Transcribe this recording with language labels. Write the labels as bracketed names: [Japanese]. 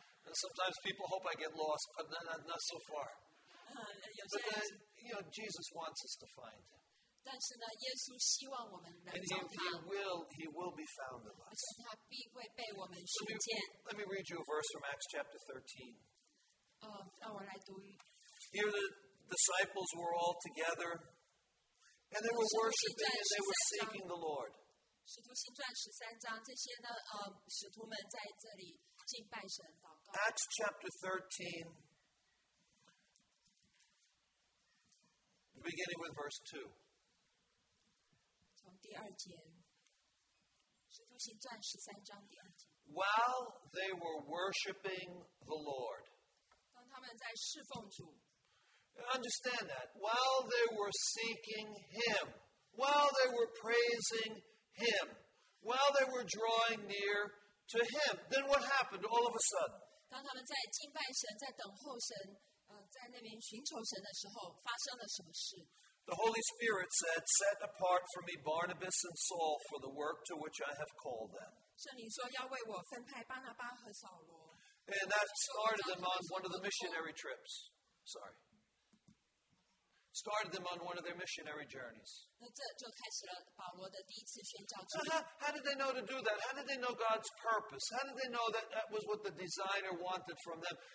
[English] And sometimes people hope I get lost, but not so far. But then, you know, Jesus wants us to find him. [Chinese] 但是呢，耶稣希望我们能找他。 [English] And he will be found in us. [Chinese] 而且他必会被我们寻见。 [English] Let me read you a verse from Acts chapter 13. [Chinese] 让我来读。 [English] Here the disciples were all together, and they were worshiping and they were seeking the Lord. [Chinese] 使徒行传十三章，这些呢，使徒们在这里敬拜神、祷告。 [English] Acts chapter 13, beginning with verse 2. While they were worshiping the Lord, [Chinese] 当他们在侍奉主 [English] understand that while they were seeking Him, while they were praising Him, while they were drawing near to him. Then what happened all of a sudden? [Chinese] 当他们在敬拜神，在等候神。在那边寻求神的时候，发生了什么事？ [English] The Holy Spirit said, "Set apart for me Barnabas and Saul for the work to which I have called them." [Chinese] 圣灵说要为我分派巴拿巴和扫罗。 [English] And that started them on one of the missionary trips. Sorry. Started them on one of their missionary journeys. [Chinese] 那这就开始了保罗的第一次宣教之旅。 [English] How did they know to do that? How did they know God's purpose? How did they know that that was what the designer wanted from them?